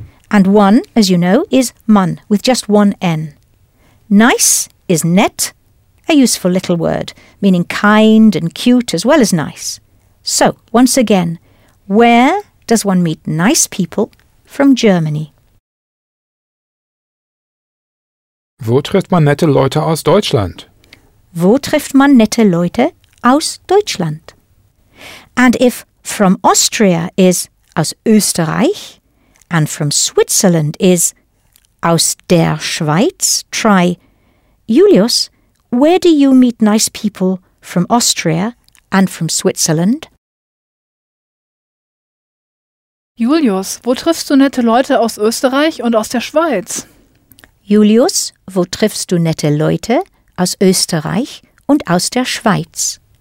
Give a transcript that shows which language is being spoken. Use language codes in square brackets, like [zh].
[en] And one, as you know, is man, with just one N. Nice is nett, a useful little word, meaning kind and cute as well as nice. So, once again, where does one meet nice people from Germany? [de] Wo trifft man nette Leute aus Deutschland? Wo trifft man nette Leute aus Deutschland? [en] And if from Austria is [de] aus Österreich [en] and from Switzerland is [de] aus der Schweiz, [en] try, Julius, where do you meet nice people from Austria and from Switzerland? [de] Julius, wo triffst du nette Leute aus Österreich und aus der Schweiz? Julius, wo triffst du nette Leute aus Österreich und aus der Schweiz?